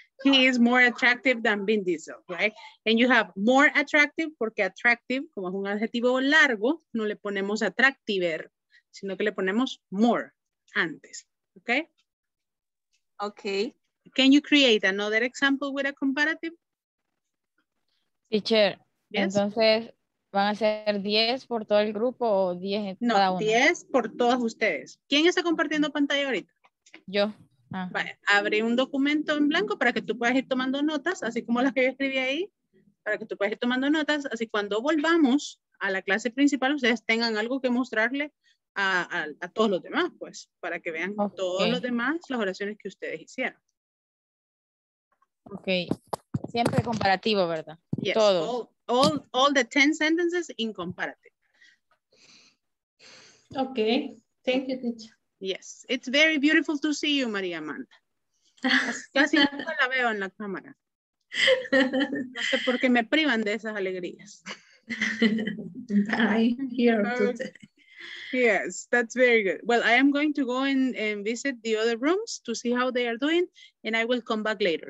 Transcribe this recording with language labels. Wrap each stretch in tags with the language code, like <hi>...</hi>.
<en>He is more attractive</en> <es>than Bendito, right? And you have more attractive, porque attractive, como es un adjetivo largo, no le ponemos attractiver, sino que le ponemos more antes, okay?</es> <en>Okay. Can you create another example with a comparative? Teacher. Yes.</en> <es>Entonces, ¿van a ser 10 por todo el grupo o 10 en no, cada uno? No, 10 por todos ustedes. ¿Quién está compartiendo pantalla ahorita? Yo. Ah. Vale, abre un documento en blanco para que tú puedas ir tomando notas, así como las que yo escribí ahí, para que tú puedas ir tomando notas. Así cuando volvamos a la clase principal, ustedes tengan algo que mostrarle a todos los demás, pues, para que vean okay. Todos los demás las oraciones que ustedes hicieron. Ok. Siempre comparativo, ¿verdad?</es> <en>Yes. Todos. All the 10 sentences in comparative. Okay, thank you, teacher. Yes, it's very beautiful to see you, Maria Amanda.</en> <es>Casi nunca la veo en la cámara. No sé por qué me privan de esas alegrías.</es> <en>I'm here too. Yes, that's very good. Well, I am going to go and visit the other rooms to see how they are doing, and I will come back later.</en>